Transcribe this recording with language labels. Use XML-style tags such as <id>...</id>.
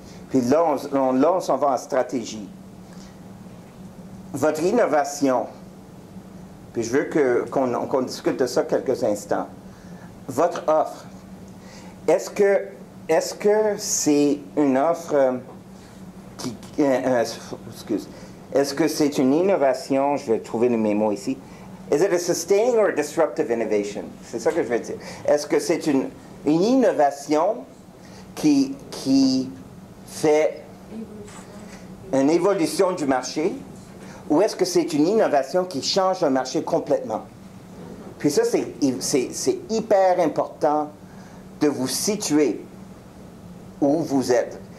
<fr>Puis là, on s'en va en stratégie. Votre innovation, puis je veux qu'on discute de ça quelques instants. Votre offre, est-ce que c'est une offre qui... excuse. Est-ce que c'est une innovation, je vais trouver mes mots ici.</fr> <en>Is it a sustaining or a disruptive innovation?</en> <fr>C'est ça que je veux dire. Est-ce que c'est une innovation qui fait une évolution du marché, ou est-ce que c'est une innovation qui change un marché complètement? Puis ça, c'est hyper important de vous situer où vous êtes.</fr>